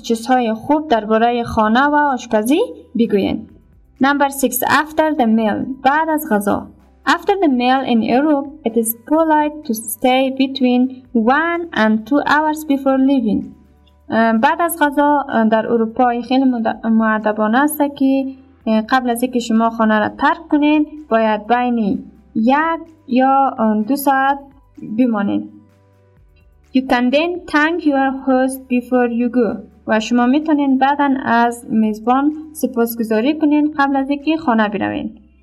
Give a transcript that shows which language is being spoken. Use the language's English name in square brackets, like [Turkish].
[Persian] چیزهای خوب درباره خانه و آشپزی بگویید. [English] Number 6 after the meal [Persian] بعد از غذا. [English] After the meal in Europe, it is polite to stay between 1 and 2 hours before leaving. [Persian] بعد از غذا در اروپا خیلی مؤدبانه است که قبل از اینکه شما خانه را ترک کنین باید بین 1 یا 2 ساعت بمانین. [English] You can then thank your host before you go. [Persian] و شما میتونین بعدا از میزبان سپاسگزاری کنین قبل از اینکه خانه بروین.